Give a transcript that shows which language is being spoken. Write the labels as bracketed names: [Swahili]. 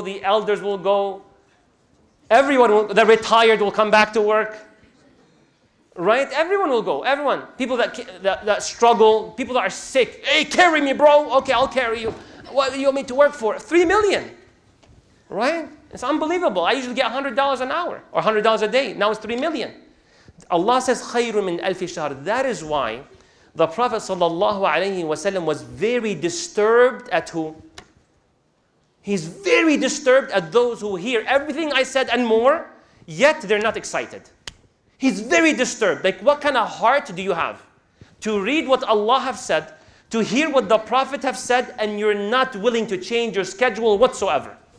[English] The elders will go. Everyone, the retired will come back to work. Right? Everyone will go. Everyone. People that struggle, people that are sick. Hey, carry me, bro. Okay, I'll carry you. What do you want me to work for? 3 million. Right? It's unbelievable. I usually get $100 an hour or $100 a day. Now it's 3 million. Allah says, [Arabic] خَيْرٌ مِنْ أَلْفِ شَهْرٍ. [English] That is why the Prophet sallallahu alayhi wa sallam was very disturbed at who? He's very disturbed at those who hear everything I said and more, yet they're not excited. He's very disturbed. Like, what kind of heart do you have to read what Allah have said, to hear what the Prophet have said, and you're not willing to change your schedule whatsoever?